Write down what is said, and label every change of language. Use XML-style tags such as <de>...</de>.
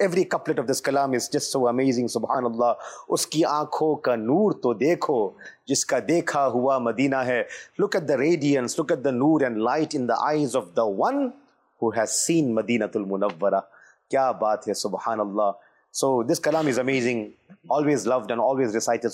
<en>Every couplet of this کلام is just so amazing.</en> <ur>سبحان اللہ. اس کی آنکھوں کا نور تو دیکھو جس کا دیکھا ہوا مدینہ ہے.</ur> <en>Look at the radiance, look at the نور and light in the eyes of the one who has seen Medina المنورہ.</en> <ur>کیا بات ہے. سبحان اللہ.</ur> <en>So this kalam is amazing, always loved and always recited.</en>